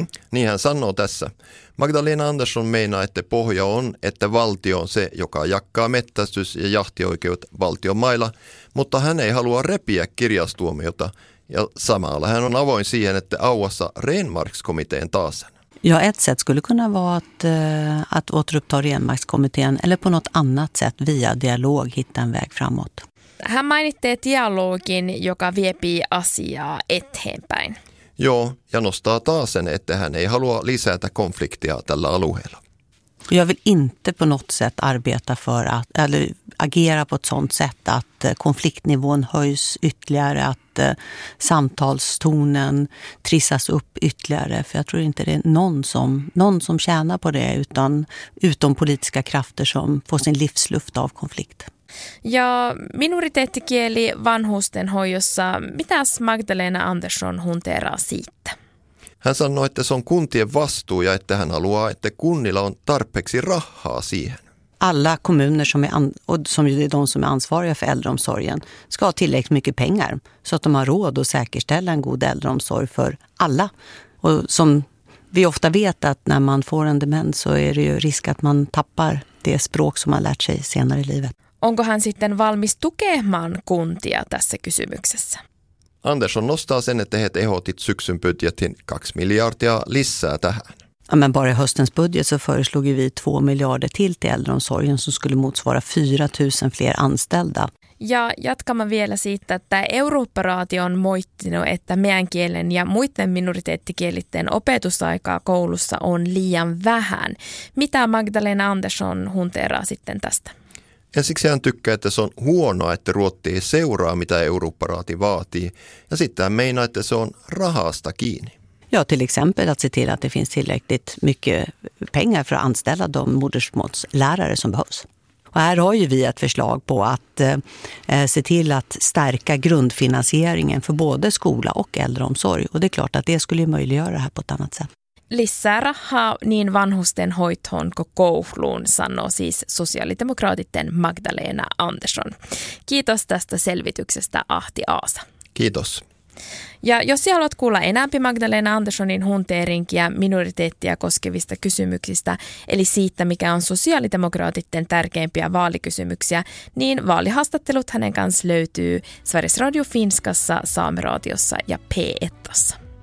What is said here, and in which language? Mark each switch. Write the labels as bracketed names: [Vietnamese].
[Tornedalen Finnish] Niin hän sanoo tässä. [Swedish] Magdalena Andersson menar att [Tornedalen Finnish] pohja on, että valtio on se, joka jakkaa mettästys- ja jahtioikeut valtion mailla, mutta hän ei halua repiä kirjastuomiota. Ja samalla hän on avoin siihen, että auassa Renmarkskomiteen taas. [Swedish] Ja ett sätt skulle kunna vara att återuppta Renmarkskomiteen eller på något annat sätt via dialog hitta en väg framåt. [Tornedalen Finnish] Hän mainitti dialogin, joka viepii asiaa eteenpäin. Joo, ja nostaa taas sen, että hän ei halua lisätä konfliktia tällä alueella. [Swedish] Jag vill inte på något sätt arbeta för att eller agera på ett sånt sätt att konfliktnivån höjs ytterligare, att samtalstonen trissas upp ytterligare. För jag tror inte det är någon som tjänar på det utom politiska krafter som får sin livsluft av konflikt. [Tornedalen Finnish] Ja minoriteettikieli vanhusten hoidossa. Mitäs Magdalena Andersson hunteraa siitä? Hän sanoi, että se on kuntien vastuu ja että hän haluaa, että kunnilla on tarpeeksi rahaa siihen. [Swedish] Alla kommuner som är ansvariga för äldreomsorgen ska ha tillräckligt mycket pengar så att de har råd att säkerställa en god äldreomsorg för alla. Och som vi ofta vet att när man får en demens så är det ju risk att man tappar det språk som man lärt sig senare i livet. [Tornedalen Finnish] Onko hän sitten valmis tukemaan kuntia tässä kysymyksessä? Andersson nostaa sen, että he tehotit syksyn budjetin 2 miljardia lisää tähän. [Swedish] Ja, men bara i höstens budget så föreslog vi 2 miljarder till äldreomsorgen som skulle motsvara 4000 fler anställda. [Tornedalen Finnish] Ja jatkamme vielä siitä, että Eurooppa-raatio on moittinut, että meidän kielen ja muiden minoriteettikielitten opetusaikaa koulussa on liian vähän. Mitä Magdalena Andersson hunteraa sitten tästä? Ensiksi hän tykkää, että se on huonoa, että Ruotti ei seuraa, mitä Eurooppa-raati vaatii, ja sitten hän meinaa, että se on rahasta kiinni. [Swedish] Ja, till exempel att se till att det finns tillräckligt mycket pengar för att anställa de modersmålslärare som behövs. Och här har ju vi ett förslag på att se till att stärka grundfinansieringen för både skola och äldreomsorg. Och det är klart att det skulle möjliggöra det här på ett annat sätt. [Tornedalen Finnish] Lisää rahaa niin vanhusten hoitoon kuin kouluun, sanoo siis sosiaalidemokraatitten Magdalena Andersson. Kiitos tästä selvityksestä, Ahti Aasa. Kiitos. Ja jos haluat kuulla enämpi Magdalena Anderssonin hunteerinkiä minoriteettia koskevista kysymyksistä, eli siitä, mikä on sosiaalidemokraatitten tärkeimpiä vaalikysymyksiä, niin vaalihaastattelut hänen kanssa löytyy Sveriges Radio Finskassa, Saameraatiossa ja P1:ssa.